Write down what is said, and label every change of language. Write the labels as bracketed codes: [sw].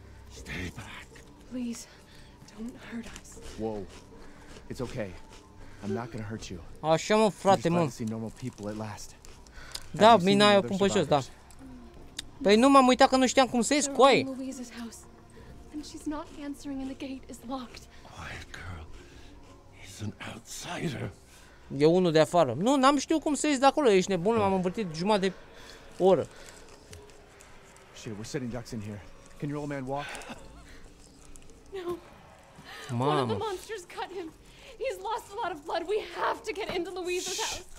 [en] Stay back. Please, don't hurt us. Whoa. It's okay. I'm not gonna hurt you. [ro] Așa, mă, frate, mă. [en] See normal people at last. [ro] Da, mina aia o pun pe jos, da. Păi nu m-am uitat că nu știam cum să ies, coai. [en] And she's not answering and the gate is locked. Quiet girl. He's an outsider. [ro] E unul de afară. Nu, n-am știut cum să ies de acolo. Ești nebun, m-am învârtit jumătate de oră. [en] Shit, we're sitting ducks in here. Can your old man walk? No. Mama. One of the monsters cut him. He's lost a lot of blood. We have to get into Louise's house.